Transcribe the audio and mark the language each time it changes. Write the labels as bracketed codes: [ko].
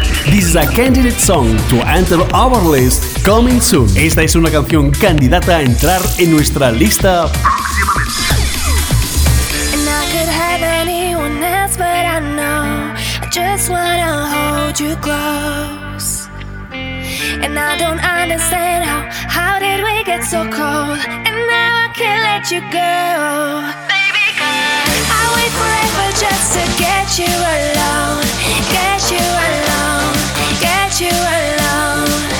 [en] This is a candidate song to enter our list coming soon. [es] Esta es una canción candidata a entrar en nuestra lista próximamente. [en] And I could have anyone else, but I know I just wanna hold you close. And I don't understand how did we get so cold. And now I can't let you go. I'll wait forever just to get you alone, get you alone, get you alone.